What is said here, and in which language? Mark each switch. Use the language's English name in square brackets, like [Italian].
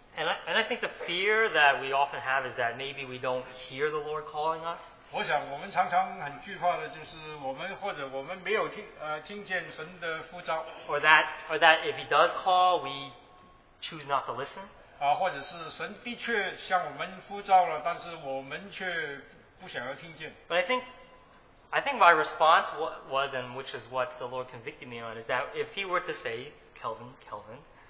[English] And I think the fear that we often have is that maybe we don't hear the Lord calling us. [Chinese] 我想我们常常很惧怕的就是我们或者我们没有听见神的呼召。 [English] Or that if he does call, we choose not to listen. [Chinese] 或者是神的确向我们呼召了,但是我们却不想要听见。 [English] But I think my response was, and which is what the Lord convicted me on, is that if he were to say, "Kelvin, Kelvin."